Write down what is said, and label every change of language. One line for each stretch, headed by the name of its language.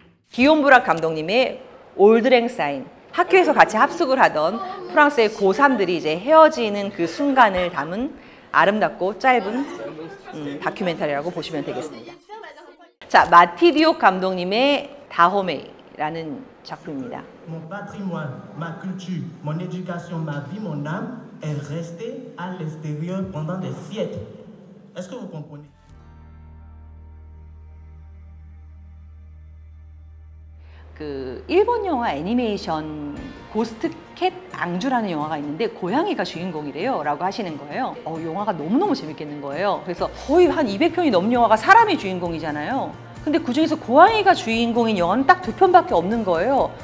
Korean: 기욤 브락 감독님의 올드랭 사인. 학교에서 같이 합숙을 하던 프랑스의 고3들이 이제 헤어지는 그 순간을 담은 아름답고 짧은 다큐멘터리라고 보시면 되겠습니다. 자, 마티 디옥 감독님의 다호메이라는 작품입니다.
French: Mon patrimoine, ma culture, mon éducation, ma vie, mon âme est resté à l'extérieur pendant des siècles. Est-ce que vous comprenez?
Korean: 그 일본 영화 애니메이션 고스트 캣 앙주라는 영화가 있는데 고양이가 주인공이래요 라고 하시는 거예요. 영화가 너무너무 재밌겠는 거예요. 그래서 거의 한 200편이 넘는 영화가 사람이 주인공이잖아요. 근데 그 중에서 고양이가 주인공인 영화는 딱 두 편밖에 없는 거예요.